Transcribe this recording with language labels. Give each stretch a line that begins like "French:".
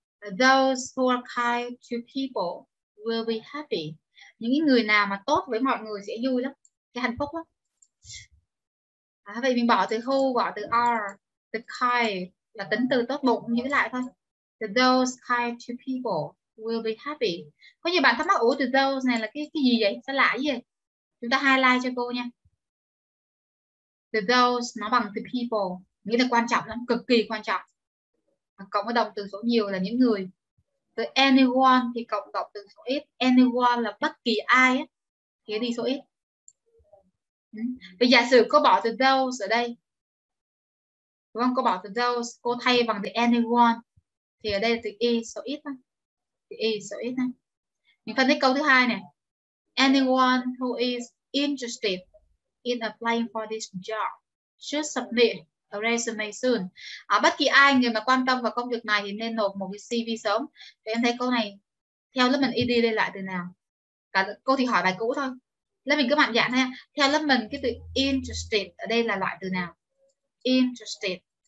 English: Those who are kind to people will be happy.
Vietnamese: Những người nào mà tốt với mọi người sẽ vui lắm, sẽ hạnh phúc lắm. Vậy mình bỏ từ who, bỏ từ are, từ kind là tính từ tốt bụng, giữ lại thôi.
English: Those kind to people will be happy.
Vietnamese: Có nhiều bạn thắc mắc, ủa từ those này là cái gì vậy? Sao lạ gì vậy? Chúng ta highlight cho cô nha. Từ those nó bằng từ people, nghĩa là quan trọng lắm, cực kỳ quan trọng. Cộng với động từ số nhiều là những người. Từ anyone thì cộng cộng từ số ít. Anyone là bất kỳ ai ấy, thì đi số ít. Ừ. Vì giả sử cô bỏ từ those ở đây, đúng không? Cô bỏ từ those, cô thay bằng từ anyone, thì ở đây là từ is số ít. Từ is số ít. Mình phân tích câu thứ hai này.
English: Anyone who is interested in applying for this job should submit a resume soon.
Vietnamese: À, bất kỳ ai người mà quan tâm vào công việc này thì nên nộp một cái CV sớm. Thì em thấy câu này theo lớp mình ID lên lại từ nào? Cả cô thì hỏi bài cũ thôi. Lớp mình cứ mạnh dạn thôi. Theo lớp mình cái từ interested ở đây là loại từ nào? Interested.